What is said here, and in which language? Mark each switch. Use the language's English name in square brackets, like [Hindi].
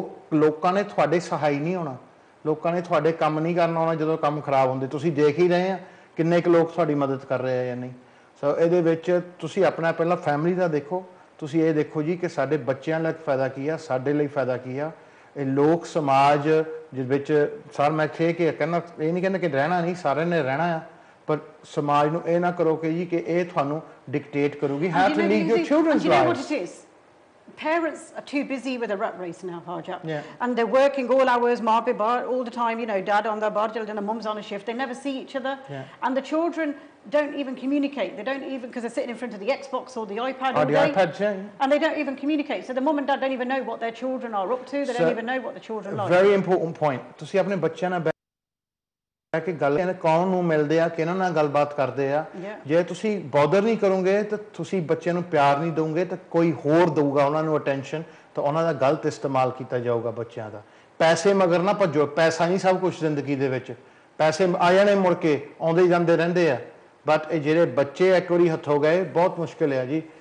[Punjabi] ਲੋਕਾਂ ਨੇ ਤੁਹਾਡੇ ਸਹਾਈ ਨਹੀਂ ਆਉਣਾ ਲੋਕਾਂ ਨੇ ਤੁਹਾਡੇ ਕੰਮ ਨਹੀਂ ਕਰਨ ਆਉਣਾ ਜਦੋਂ ਕੰਮ ਖਰਾਬ ਹੁੰਦੇ ਤੁਸੀਂ ਦੇਖ ਹੀ ਰਹੇ ਆ ਕਿੰਨੇ ਕੁ ਲੋਕ ਤੁਹਾਡੀ ਮਦਦ ਕਰ ਰਹੇ ਆ ਜਾਂ ਨਹੀਂ ਸੋ ਇਹਦੇ ਵਿੱਚ ਤੁਸੀਂ ਆਪਣਾ ਪਹਿਲਾਂ ਫੈਮਲੀ ਦਾ ਦੇਖੋ ਤੁਸੀਂ ਇਹ ਦੇਖੋ ਜੀ ਕਿ ਸਾਡੇ ਬੱਚਿਆਂ ਲਈ ਫਾਇਦਾ ਕੀ ਆ ਸਾਡੇ ਲਈ ਫਾਇਦਾ ਕੀ ਆ ਇਹ ਲੋਕ ਸਮਾਜ ਜਿਸ ਵਿੱਚ ਸਰ ਮੈਂ ਇੱਥੇ ਕਿ ਕਹਿੰਦਾ ਇਹ ਨਹੀਂ ਕਹਿੰਦਾ ਕਿ ਰਹਿਣਾ ਨਹੀਂ ਸਾਰਿਆਂ ਨੇ ਰਹਿਣਾ ਆ ਪਰ ਸਮਾਜ ਨੂੰ ਇਹ ਨਾ ਕਰੋ ਕਿ ਜੀ ਕਿ ਇਹ ਤੁਹਾਨੂੰ ਡਿਕਟੇਟ ਕਰੂਗੀ [English] ਹੈ to lead your children's lifes Parents are too busy with a rat race now, Harjap. Yeah. And they're working all hours, maabe bar, all the time, you know, dad on their bar, and the mum's on a shift. They never see each other. Yeah. And the children don't even communicate. They don't even, because they're sitting in front of the Xbox or the iPad. And they don't even communicate. So the mum and dad don't even know what their children are up to. They don't even know what the children like. Very important point. To see [Punjabi] apne bachche na ਹੈ ਕਿ ਗੱਲ ਕੌਣ ਨੂੰ ਮਿਲਦੇ ਆ ਕਿਹਨਾਂ ਨਾਲ ਗੱਲਬਾਤ ਕਰਦੇ ਆ ਜੇ ਤੁਸੀਂ ਬੋਦਰ ਨਹੀਂ ਕਰੋਗੇ ਤਾਂ ਤੁਸੀਂ ਬੱਚਿਆਂ ਨੂੰ ਪਿਆਰ ਨਹੀਂ ਦਿਉਂਗੇ ਤਾਂ ਕੋਈ ਹੋਰ ਦਊਗਾ ਉਹਨਾਂ ਨੂੰ ਅਟੈਨਸ਼ਨ ਤਾਂ ਉਹਨਾਂ ਦਾ ਗਲਤ ਇਸਤੇਮਾਲ ਕੀਤਾ ਜਾਊਗਾ ਬੱਚਿਆਂ ਦਾ ਪੈਸੇ ਮਗਰ ਨਾ ਭੱਜੋ ਪੈਸਾ ਨਹੀਂ ਸਭ ਕੁਛ ਜ਼ਿੰਦਗੀ ਦੇ ਵਿੱਚ ਪੈਸੇ ਆ ਜਾਣੇ ਮੁੜ ਕੇ ਆਉਂਦੇ ਜਾਂਦੇ ਰਹਿੰਦੇ ਆ ਬਟ ਇਹ ਜਿਹੜੇ ਬੱਚੇ ਇੱਕ ਵਾਰੀ ਹੱਥੋਂ ਗਏ ਬਹੁਤ ਮੁਸ਼ਕਿਲ ਆ ਜੀ